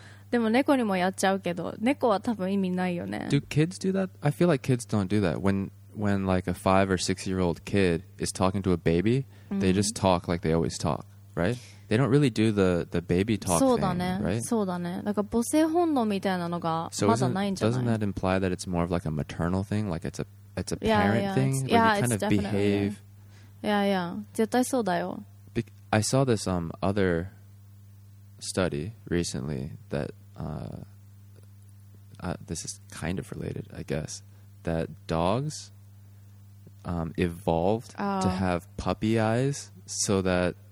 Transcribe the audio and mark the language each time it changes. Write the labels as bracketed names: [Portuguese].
[Japanese] でも猫にもやっちゃうけど、猫は多分意味ないよね。 [English] Do kids do that? I feel like kids don't do that. When like a 5 or 6 year old kid is talking to a baby, they just talk like they always talk, right? They don't really do the baby talk thing, right? [Japanese] そうだね。だから母性本能みたいなのがまだないんじゃない？ [English] Doesn't that imply that it's more of like a maternal thing? Like it's a parent thing? It's, yeah, you kind it's of behave. [Japanese] Yeah, yeah. 絶対そうだよ。 [English] I saw this other study recently that this is kind of related, I guess, that dogs evolved to have puppy eyes so that...